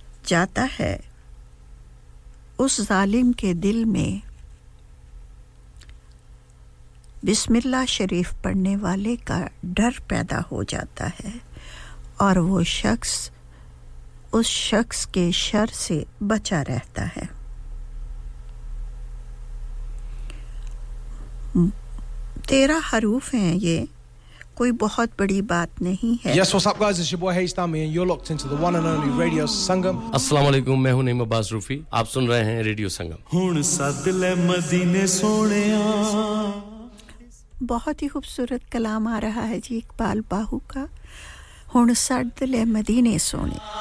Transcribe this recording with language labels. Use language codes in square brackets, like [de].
[ur] جاتا ہے اس ظالم کے دل میں بسم اللہ شریف پڑھنے والے کا ڈر پیدا ہو جاتا ہے اور وہ شخص اس شخص کے شر سے بچا رہتا ہے تیرہ حروف ہیں یہ کوئی بہت بڑی بات نہیں ہے [en] Yes, what's up guys, it's your boy Hey Stami and you're locked into the one and only Radio Sangam [ur] السلام علیکم, میں ہوں نعیم عباس روفی آپ سن رہے ہیں Radio Sangam [pa] ہون ساد لے مدینے سوڑے [ur] بہت ہی خوبصورت کلام آ رہا ہے جی اقبال باہو کا [pa] ہون ساد لے مدینے سوڑے